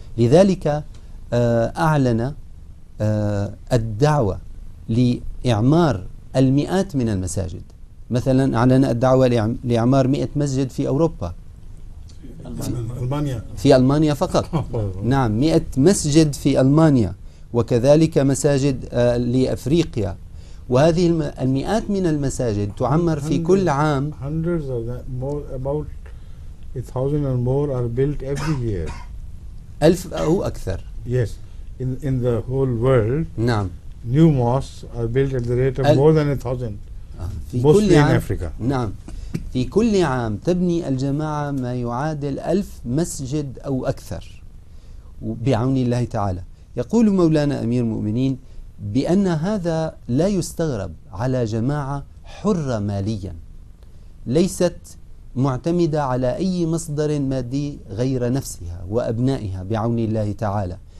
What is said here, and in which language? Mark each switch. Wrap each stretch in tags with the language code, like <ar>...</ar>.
<ar>لذلك أعلن الدعوة لإعمار المئات من المساجد، مثلا أعلن الدعوة لإعمار 100 مسجد في أوروبا، في ألمانيا فقط. نعم، 100 مسجد في ألمانيا، وكذلك مساجد لأفريقيا، وهذه المئات من المساجد تعمر في كل عام.</ar> <en>Hundreds of them, more about 1,000 and more are built every year.</en> <ar>ألف أو أكثر.</ar> <en>Yes, in the whole world.</en> <ar>نعم.</ar> <en>new mosques are built at the rate of more than 1,000 mostly in Africa.</en> <ar>نعم في كل عام تبني الجماعة ما يعادل 1,000 مسجد أو أكثر بعون الله تعالى. يقول مولانا أمير المؤمنين بأن هذا لا يستغرب على جماعة حرة ماليا ليست معتمدة على أي مصدر مادي غير نفسها وأبنائها بعون الله تعالى،</ar>